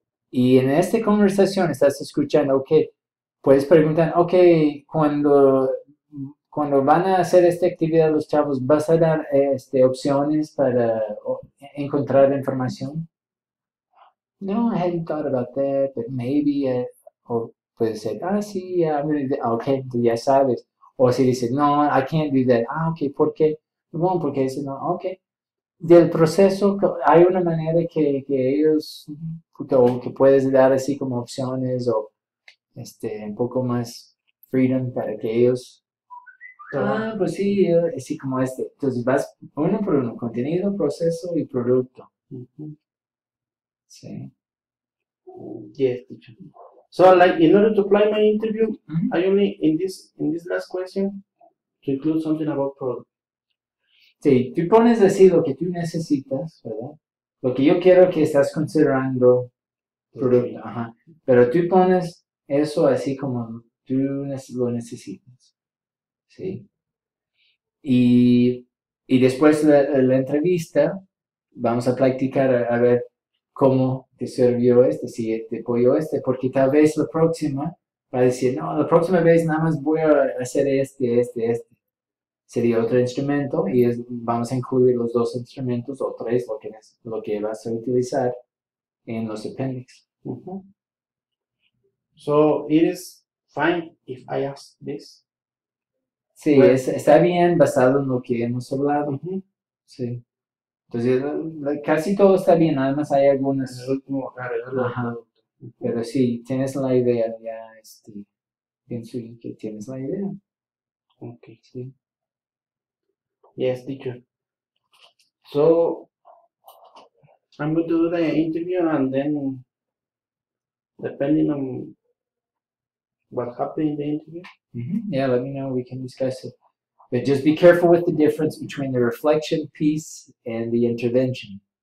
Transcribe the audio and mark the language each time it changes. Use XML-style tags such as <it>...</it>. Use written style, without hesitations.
<es>Y en esta conversación estás escuchando, ok, puedes preguntar, ok, cuando van a hacer esta actividad los chavos, ¿vas a dar opciones para encontrar información?</es> <en>No, I hadn't thought about that, but maybe...</en> <es>O puede ser, sí, ok, tú ya sabes. O si dices, no,</es> <en>I can't do that.</en> <es>Ah, ok, ¿por qué? Bueno, porque dice, no, ok. Del proceso, hay una manera que ellos, o que puedes dar así como opciones, o un poco más freedom para que ellos. Pues sí, así como este. Entonces vas uno por uno, contenido, proceso y producto. Sí.</es> <en>Yes, teacher. So, like, in order to apply my interview, I only, in this last question, to include something about product.</en> <es>Sí, tú pones así lo que tú necesitas, ¿verdad? Lo que yo quiero que estás considerando producto, okay. Ajá. Pero tú pones eso así como tú lo necesitas, ¿sí? Y después la entrevista, vamos a practicar a ver cómo te sirvió si te apoyó porque tal vez la próxima va a decir, no, la próxima vez nada más voy a hacer este. Sería otro instrumento y vamos a incluir los dos instrumentos o tres, lo que vas a utilizar en los appendix.</es> <en>So, it is fine if I ask this?</en> <es>Sí, well, está bien basado en lo que hemos hablado. Sí. Entonces, casi todo está bien, nada más hay algunas. El último, ajá. Pero sí, tienes la idea, ya, pienso que tienes la idea.</es> <en>Ok, sí. Yes, teacher. So, I'm going to do the interview and then, depending on what happened in the interview. Yeah, let me know, we can discuss it. But just be careful with the difference between the reflection piece and the intervention.</en>